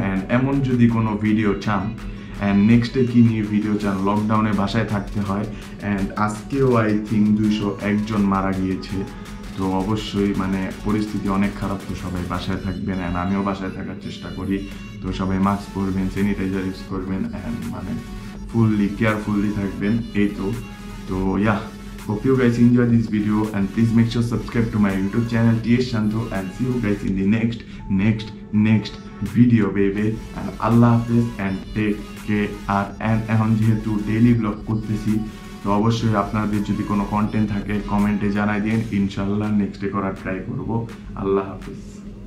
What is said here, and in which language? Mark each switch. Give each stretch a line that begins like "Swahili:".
Bangla: And এমন যদি কোনো ভিডিও চান, অ্যান্ড নেক্সটে কী নিয়ে ভিডিও চান, লকডাউনে বাসায় থাকতে হয়, অ্যান্ড আজকেও
English: I think
Bangla: 201 জন মারা গিয়েছে, তো অবশ্যই মানে পরিস্থিতি অনেক খারাপ, তো সবাই বাসায় থাকবেন, অ্যান্ড আমিও বাসায় থাকার চেষ্টা করি। তো সবাই মাস্ক পরবেন, স্যানিটাইজার ইউজ করবেন, অ্যান্ড মানে
English: fully carefully
Bangla: থাকবেন।
English: এই তো, তো yeah, hope you guys enjoy this video and please make sure subscribe to my YouTube channel TS Shanto, and see you guys in the next video baby, and Allah Hafiz and take care.
Bangla: And এখন যেহেতু daily blog করতেছি, তো অবশ্যই আপনাদের যদি কোনো content থাকে কমেন্টে জানাই দিন, ইনশাল্লাহ নেক্সট ডে করার ট্রাই করবো। আল্লাহ হাফিজ।